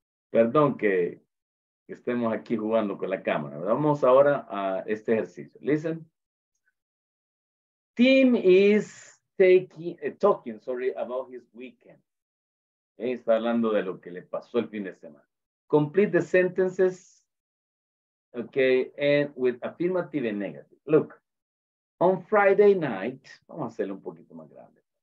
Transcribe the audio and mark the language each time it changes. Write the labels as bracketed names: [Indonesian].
[Spanish] Perdón que estemos aquí jugando con la cámara. Vamos ahora a este ejercicio. [English] Listen. Tim is talking, sorry, about his weekend. [Spanish] Okay, está hablando de lo que le pasó el fin de semana. [English] Complete the sentences, okay, and with affirmative and negative. Look, on Friday night, [Spanish] vamos a hacerlo un poquito más grande.